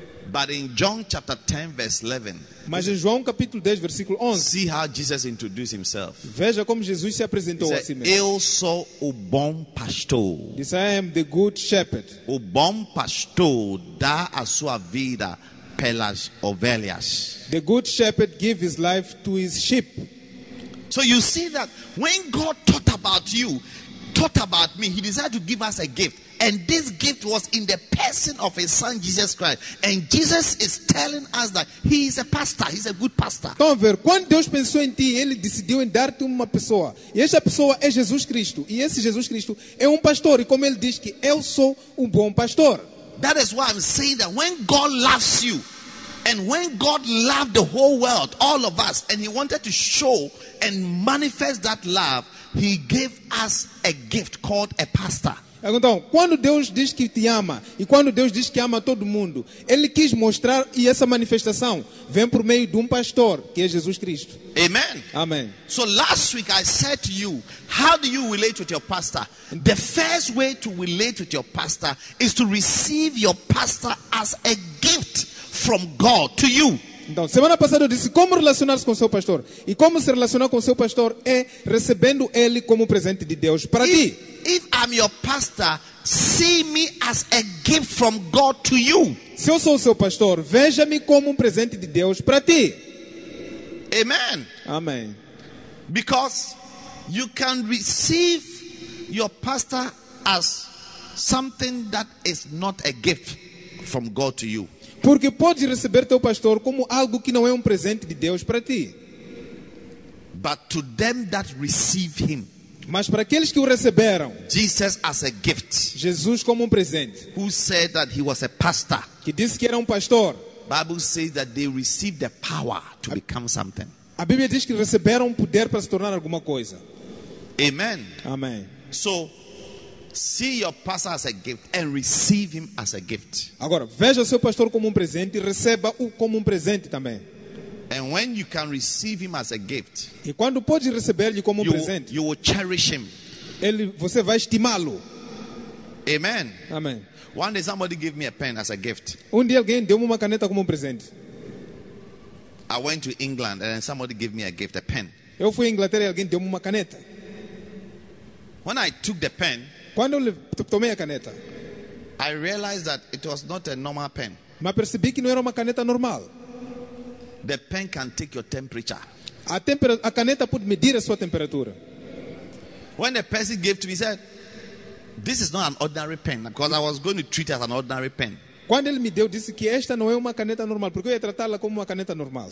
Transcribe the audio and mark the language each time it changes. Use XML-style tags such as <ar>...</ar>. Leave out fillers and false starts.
<en>But in John chapter 10 verse 11.</en> <pt>Mas em João capítulo 10 versículo 11.</pt> <en>See how Jesus introduced himself.</en> <pt>Veja como Jesus se apresentou a si mesmo. Eu sou o bom pastor. Diz,</pt> <en>I am the good shepherd.</en> <pt>O bom pastor dá a sua vida pelas ovelhas.</pt> <en>The good shepherd give his life to his sheep. So you see that when God thought about you, thought about me, he decided to give us a gift. And this gift was in the person of his son Jesus Christ. And Jesus is telling us that he is a pastor. He's a good pastor.</en> <pt>Então, ver, quando Deus pensou em ti, ele decidiu em dar-te uma pessoa. E esta pessoa é Jesus Cristo. E esse Jesus Cristo é pastor. E como ele diz que eu sou bom pastor.</pt> <en>That is why I'm saying that when God loves you, and when God loved the whole world, all of us, and he wanted to show and manifest that love, he gave us a gift called a pastor.</en> <pt>Então, quando Deus diz que te ama e quando Deus diz que ama todo mundo, ele quis mostrar e essa manifestação vem por meio de pastor, que é Jesus Cristo.</pt> <en>Amen.</en> <pt>Amen.</pt> <en>So last week I said to you, how do you relate with your pastor? The first way to relate with your pastor is to receive your pastor as a gift from God to you.</en> <pt>Então, semana passada eu disse como relacionar-se com seu pastor. E como se relacionar com seu pastor é recebendo ele como presente de Deus para ti.</pt> <en>If I'm your pastor, see me as a gift from God to you.</en> <pt>Se eu sou seu pastor, veja-me como presente de Deus para ti.</pt> <en>Amen.</en> <pt>Amém.</pt> <en>Because you can receive your pastor as something that is not a gift from God to you.</en> <pt>Porque pode receber teu pastor como algo que não é presente de Deus para ti.</pt> <en>But to them that receive him.</en> <pt>Mas para aqueles que o receberam,</pt> <en>Jesus as a gift.</en> <pt>Jesus como presente.</pt> <en>Who said that he was a pastor?</en> <pt>Que disse que era pastor.</pt> <en>Bible says that they received the power to become something.</en> <pt>A Bíblia diz que receberam poder para se tornar alguma coisa.</pt> <en>Amen.</en> <pt>Amém.</pt> <en>So see your pastor as a gift and receive him as a gift.</en> <pt>Agora, veja o seu pastor como presente e receba-o como presente também.</pt> <en>And when you can receive him as a gift,</en> <pt>e quando pode receber-lhe como presente,</pt> <en>you will cherish him.</en> <pt>Ele, você vai estimá-lo.</pt> <en>Amen.</en> <pt>Amen.</pt> <en>One day somebody gave me a pen as a gift.</en> <pt>Dia alguém deu-me uma caneta como presente.</pt> <en>I went to England and somebody gave me a gift, a pen.</en> <pt>Eu fui à Inglaterra e alguém deu-me uma caneta.</pt> <en>When I took the pen,</en> <pt>quando eu tomei a caneta,</pt> <en>I realized that it was not a normal pen.</en> <pt>Mas percebi que não era uma caneta normal.</pt> <en>The pen can take your temperature.</en> <pt>A caneta pode medir a sua temperatura.</pt> <en>When the person gave to me, said, "This is not an ordinary pen," because I was going to treat it as an ordinary pen.</en> <pt>Quando ele me deu, disse que esta não é uma caneta normal, porque eu ia tratá-la como uma caneta normal.</pt>